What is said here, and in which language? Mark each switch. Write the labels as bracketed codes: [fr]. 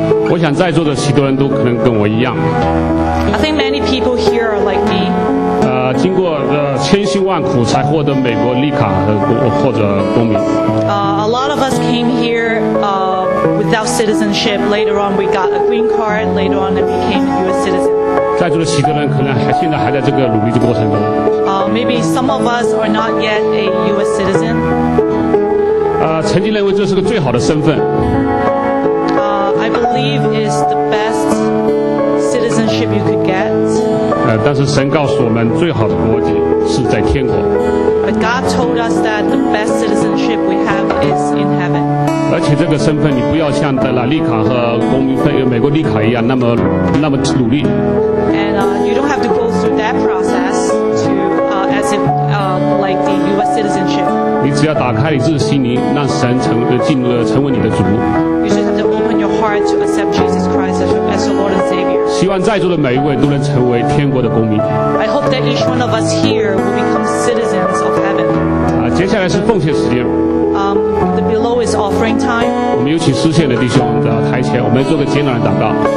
[zh] 我想在座的许多人都可能跟我一样。 [en] I think many people here are like me. [zh] 经过千辛万苦才获得美国绿卡或者公民。 [en] A lot of us came here without citizenship. Later on, we got a green card. Later on, we became a U.S. citizen. [zh] 在座的许多人可能还现在还在这个努力的过程中。 [en] Maybe some of us are not yet a U.S. citizen. [zh] 曾经认为这是个最好的身份。 [en] I believe it's the best citizenship you could get. [zh] 但是神告诉我们，最好的国籍是在天国。 [en] But God told us that the best citizenship we have is in heaven. [zh] 而且这个身份，你不要像德拉利卡和公民费美国利卡一样那么努力。 [en] And you don't have to go through that process to as if like the U.S. citizenship. [zh] 你只要打开你自己的心灵，让神成为你的主。 [en] You should open your heart to accept Jesus Christ as your Lord and Savior. [zh] 希望在座的每一位都能成为天国的公民。 [en] I hope that each one of us here will become citizens of heaven. [zh] 接下来是奉献时间。 [en] The below is offering time. [zh] 我们有请施献的弟兄的台前，我们做个简短的祷告。